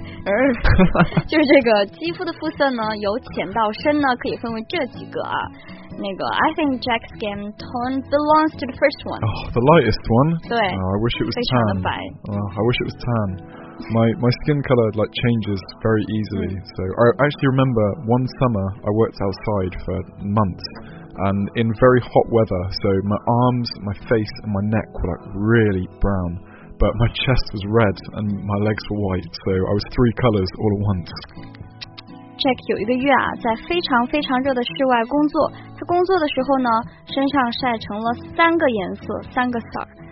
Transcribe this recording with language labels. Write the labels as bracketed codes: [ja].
[zh] 就是这个肌肤的肤色呢，由浅到深呢，可以分为这几个啊。 [en] 那个 I think Jack's skin tone belongs to the first one. Oh, the lightest one. [zh] 对。 [en] I wish it was tan. [zh] 非常的白。 [en] I wish it was tan. My skin color like changes very easily. So I actually remember one summer I worked outside for months, and in very hot weather. So my arms, my face, and my neck were like really brown, but my chest was red and my legs were white. So I was three colors all at once. [zh] Jack 有一个月啊，在非常非常热的室外工作。他工作的时候呢，身上晒成了三个颜色，三个色儿。